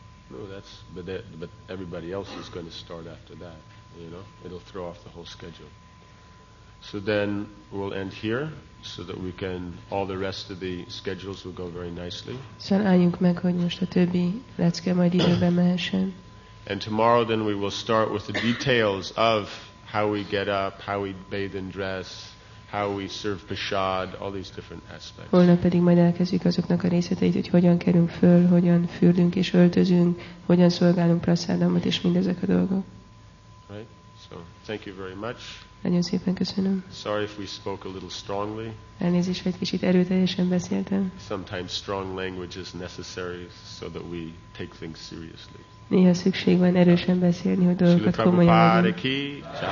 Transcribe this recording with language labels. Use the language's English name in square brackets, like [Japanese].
[English] No, that's but everybody else is going to start after that, you know. It'll throw off the whole schedule. So then we'll end here so that we can all the rest of the schedules will go very nicely. [Hungarian] Álljunk meg, hogy most a többi lecke majd időben mehessen. [English] And tomorrow then we will start with the details of how we get up, how we bathe and dress, how we serve prasad, all these different aspects. [Hungarian] Holnap pedig majd elkezdjük azoknak a részleteit, hogy hogyan kerünk föl, hogyan fürdünk és öltözünk, hogyan szolgálunk prasadamot és mindezek a dolgok. [English] Right. So, thank you very much. [Hungarian] Nagyon szépen köszönöm. [English] Sorry if we spoke a little strongly. [Hungarian] Elnézést, hogy kicsit erőteljesen beszéltem. [English] Sometimes strong language is necessary so that we take things seriously. [Hungarian] Néha szükség van erősen beszélni, hogy dolgokat komolyan vegyünk.